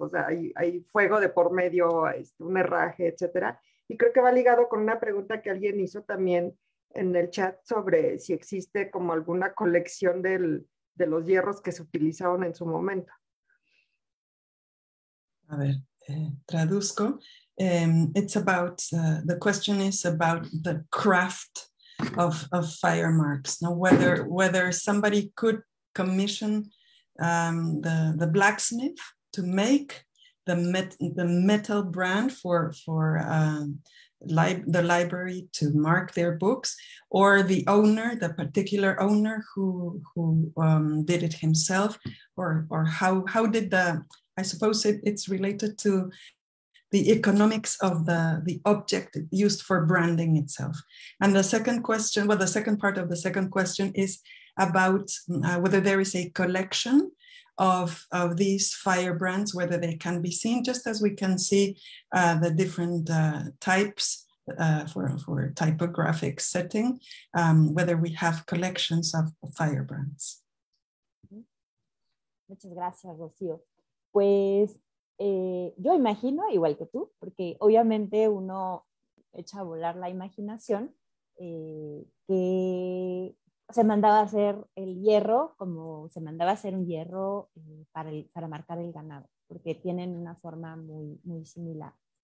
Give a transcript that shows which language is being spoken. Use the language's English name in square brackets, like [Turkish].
[Spanish] O sea, hay fuego de por medio, un herraje, etc. Y creo que va ligado con una pregunta que alguien hizo también en el chat sobre si existe como alguna colección de los hierros que se utilizaron en su momento. A ver, traduzco. [English] It's about the question is about the craft of fire marks. Now, whether somebody could commission the blacksmith to make the metal brand for the library to mark their books, or the owner, the particular owner who did it himself, or how did the, I suppose it's related to the economics of the object used for branding itself. And the second question, well, the second part of the second question is about whether there is a collection of these fire brands, whether they can be seen, just as we can see the different types for typographic setting, whether we have collections of fire brands. [Spanish] Muchas gracias, Rocío. Pues yo imagino, igual que tú, porque obviamente uno echa a volar la imaginación, que se mandaba a hacer el hierro como se mandaba a hacer un hierro para marcar el ganado, porque tienen una forma muy, muy similar.